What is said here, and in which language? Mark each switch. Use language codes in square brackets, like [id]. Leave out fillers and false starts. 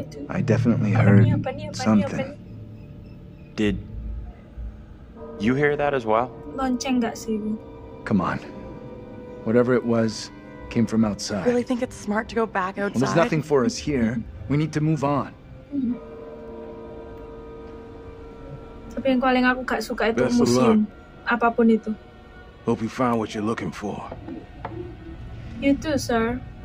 [en] I definitely heard something. Did you hear that as well? [id] Lonceng gak sih? [en] Come on. Whatever it was, came from outside. I really think it's smart to go back outside. Well, there's nothing for us here. We need to move on. [id] Tapi yang paling aku gak suka itu musim, apapun itu. [en] Hope you find what you're looking for. You too, sir.